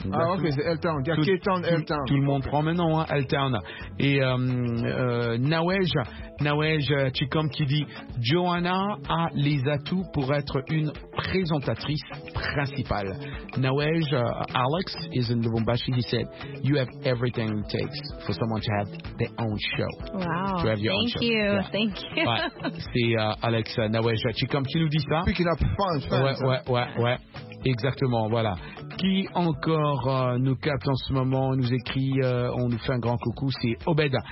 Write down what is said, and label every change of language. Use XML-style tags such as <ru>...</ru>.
<fr>Lubumbashi. Ah, ok, c'est L-Town. Il y a K-Town, L-Town. Tout le monde prend maintenant hein, L-Town. Et Nawej Chikom qui dit Joanna a les atouts pour être une présentatrice principale.</fr> <en>Nawej, Alex is in Lubumbashi. He said, you have everything. Takes for someone to have their own show. Wow. To have your thank own show. You. Yeah. Thank you.</en> <fr>Ouais. C'est Alex Nawej Chikam qui nous dit ça.</fr> <en>Picking up fun.</en> <fr>Ouais. Exactement. Voilà. Qui encore nous capte en ce moment, nous écrit, on nous fait un grand coucou, c'est Obed.</fr>